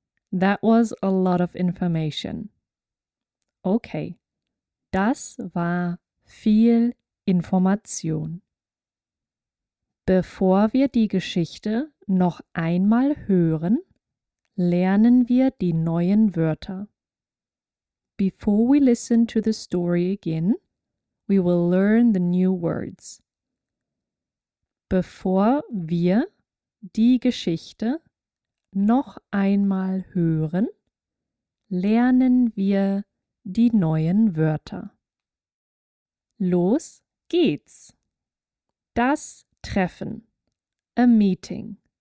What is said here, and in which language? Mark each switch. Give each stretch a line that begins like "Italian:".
English: That was a lot of information. Okay.
German: Das war viel Information. Bevor wir die Geschichte noch einmal hören, lernen wir die neuen Wörter.
English: Before we listen to the story again, we will learn the new words.
German: Bevor wir die Geschichte noch einmal hören, lernen wir die neuen Wörter. Los geht's. Das Treffen. A meeting.